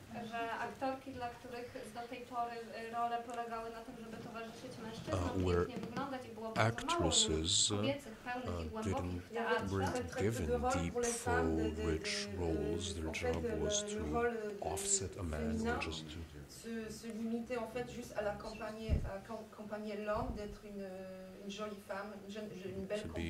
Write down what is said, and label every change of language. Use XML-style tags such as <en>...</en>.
<pl>Że aktorki, dla których do tej pory role polegały na tym, żeby towarzyszyć mężczyznom, pięknie wyglądać i było bardzo mało kobiecych, pełnych i głębokich teatrów.</pl> <en>Weren't given deep, full, rich roles. Their job was to offset a man, or just to...</en> <fr>Se limiter en fait juste à la compagnie, l'homme, d'être une jolie femme, une belle compagnie.</fr>